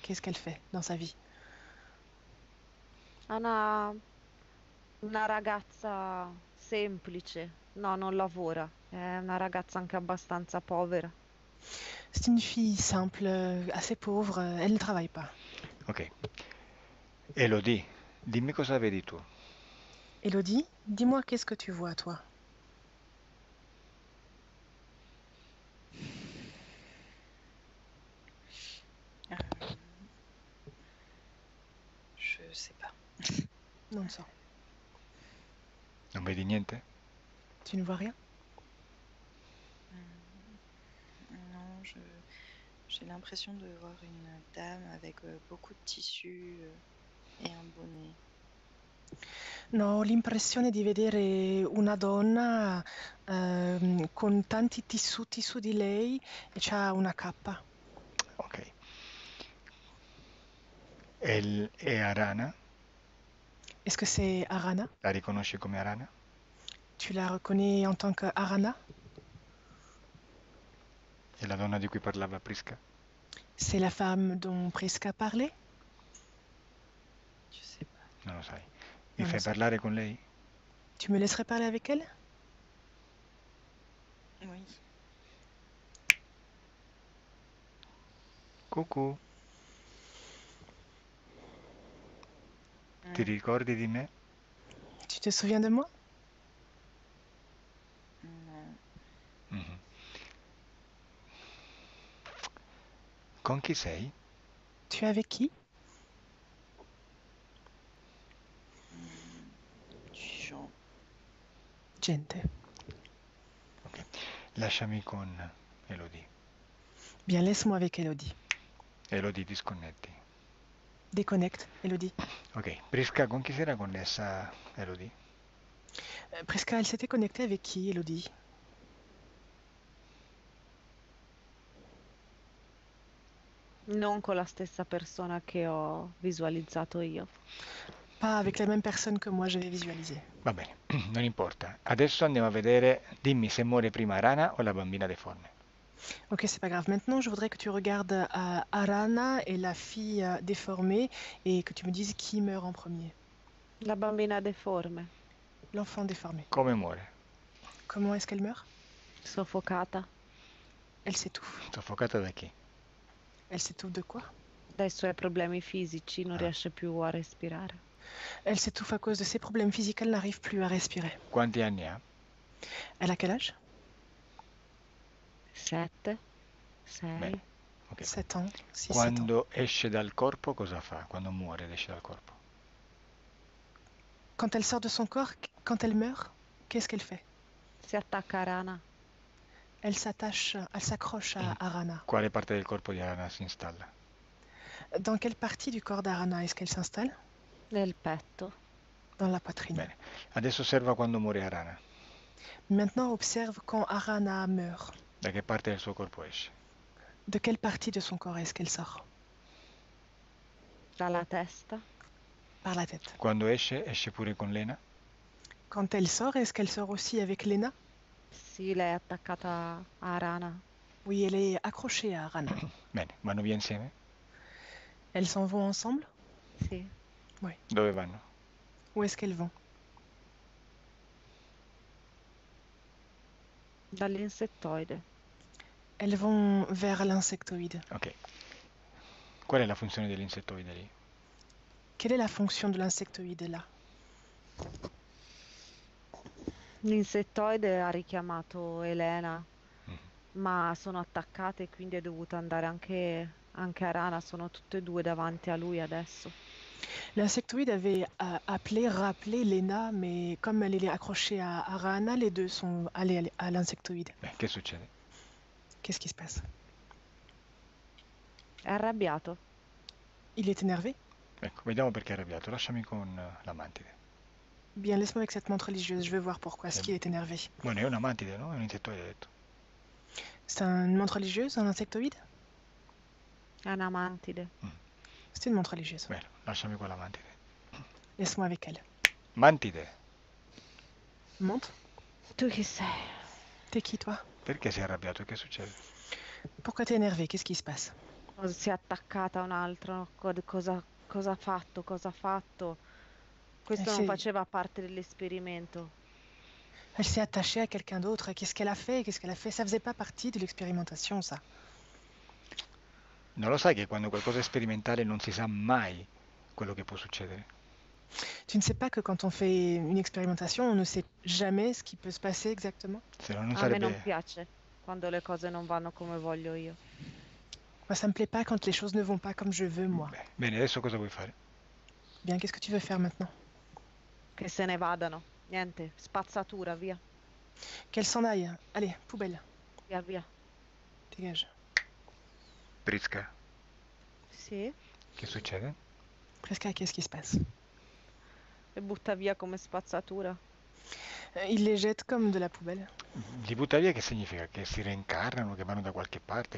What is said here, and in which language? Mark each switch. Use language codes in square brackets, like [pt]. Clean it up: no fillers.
[fr] Qu'est-ce qu'elle fait dans sa vie? [it] Anna, una ragazza semplice. No, non lavora. È una ragazza anche abbastanza povera. [fr] C'est une fille simple, assez pauvre, elle ne travaille pas. Ok. [it] Elodie, dimmi cosa vedi tu. [fr] Elodie, dis-moi qu'est-ce que tu vois, toi? Je sais pas. Non, ça. [it] Non vedi niente? [fr] Tu ne vois rien? Non, j'ai l'impression de voir une dame avec beaucoup de tissu et un bonnet. [it] No, l'impressione di vedere una donna con tanti tissuti su di lei e c'ha una cappa. El è Arana. [fr] Est-ce que c'est Arana? [it] La riconosci come Arana? [fr] Tu la reconnais en tant qu'Arana? [it] È la donna di cui parlava Prisca? [fr] C'est la femme dont Prisca parlait? [it] Non lo sai. Mi Non lo fai so. parlare con lei? [fr] Tu me laisserais parler avec elle? Oui. [it] Cucù. Ti ricordi di me? [fr] Tu te souviens de moi? [it] Con chi sei? [fr] Tu es avec qui? [it] Gente. Ok, lasciami con Elodie. [fr] Bien, laisse-moi avec Elodie. [it] Elodie, disconnetti. [fr] Déconnecte, Elodie. [it] Ok, Prisca, con chi si era connessa Elodie? [fr] Prisca, elle s'était connectée avec qui, Elodie? [it] Non con la stessa persona che ho visualizzato io. [fr] Pas avec la même personne que moi j'avais visualisé. [it] Va bene, non importa. Adesso andiamo a vedere, dimmi se muore prima Rana o la bambina deforme. [fr] Ok, c'est pas grave. Maintenant, je voudrais que tu regardes Arana et la fille déformée et que tu me dises qui meurt en premier. [it] La bambina deforme. [fr] L'enfant déformé. [it] Come muore? [fr] Comment est-ce qu'elle meurt? [it] Soffocata. [fr] Elle s'étouffe. [it] Soffocata da chi? [fr] Elle s'étouffe de quoi? [it] Dai suoi problemi fisici, non riesce più a respirare. [fr] Elle s'étouffe à cause de ses problèmes physiques, elle n'arrive plus à respirer. [it] Quanti anni ha? [fr] Elle a quel âge? [it] Sette, sei, [fr] 7 ans, six, sept ans. [it] Quando esce dal corpo, cosa fa? Quando muore, esce dal corpo? [fr] Quand elle sort de son corps, quand elle meurt, qu'est-ce qu'elle fait? [it] Si attacca a Rana. [fr] Elle s'accroche à Arana. [it] Quale parte del corpo di Arana si installa? [fr] Dans quelle partie du corps d'Arana est-ce qu'elle s'installe? [it] Nel petto. [fr] Dans la poitrine. [it] Bene, adesso osserva quando muore Arana. [fr] Maintenant, observe quand Arana meurt. [it] Da che parte del suo corpo esce? [fr] De quelle partie de son corps est-ce qu'elle sort? [it] Dalla testa. [fr] Par la tête. [it] Quando esce, esce pure con Lena? [fr] Quand elle sort, est-ce qu'elle sort aussi avec Lena? [it] Sì, lei è attaccata a Rana. [fr] Oui, elle est accrochée à Rana. [it] Bene, vanno via insieme? [fr] Elles s'en vont ensemble? [it] Sì. [fr] Oui. [it] Dove vanno? [fr] Où est-ce qu'elles vont? [it] Dall'insettoide. [fr] Elles vont vers l'insectoïde. Ok. [it] Qual è la funzione dell'insettoide [fr] Quelle est la fonction de l'insectoïde là? [it] lì? L'insettoide ha richiamato Elena, ma sono attaccate e quindi è dovuto andare anche Arana, sono tutte e due davanti a lui adesso. [fr] L'insectoïde avait rappelé Lena, mais comme elle est accrochée à Rana, les deux sont allés à l'insectoïde. [it] Beh, che succede? [fr] Qu'est-ce qui se passe? [it] È arrabbiato. [fr] Il est énervé? [it] Ecco, vediamo perché è arrabbiato. Lasciami con la mantide. [fr] Bien, laisse-moi avec cette montre religieuse, je veux voir pourquoi est-ce qu'il est énervé. [it] Bueno, è una mantide, no? È un insettoide, [fr] C'est une montre religieuse, un insectoïde? [it] ha detto. Un amantide. [fr] C'est une montre religieuse. [it] Bene, lasciami con la mantide. [fr] Laisse-moi avec elle. [it] Mantide! [fr] Monte. [it] Tu chi sei? [fr] T'es qui toi? [it] Perché sei arrabbiato? Che succede? [fr] Pourquoi t'es énervé? Qu'est-ce qui se passe? [it] Si è attaccata a un altro. Cosa ha fatto? Cosa ha fatto? Questo non faceva parte dell'esperimento. [fr] Elle s'est attachée à quelqu'un d'autre. Qu'est-ce qu'elle a fait? Qu'est-ce qu'elle a fait? Ça faisait pas partie de l'expérimentation, ça. [it] Non lo sai che quando qualcosa è sperimentale non si sa mai quello che può succedere? [fr] Tu ne sais pas que quand on fait une expérimentation, on ne sait jamais ce qui peut se passer exactement? [it] Se no, non A me non sarebbe. piace quando le cose non vanno come voglio io. [fr] Moi, ça me plaît pas quand les choses ne vont pas comme je veux, moi. [it] Beh, bene, adesso cosa vuoi fare? [fr] Bien, qu'est-ce que tu veux faire maintenant? [it] Che se ne vadano. Niente, spazzatura, via. [fr] Qu'elle s'en aille. Allez, poubelle. [it] Via, via. [fr] Dégage. [it] Prisca. Che Sì. succede? [fr] Prisca, qu'est-ce qui se passe? [it] E butta via come spazzatura. [fr] Il les jette comme de la poubelle. [it] Li butta via, che significa? Che si reincarnano, che vanno da qualche parte?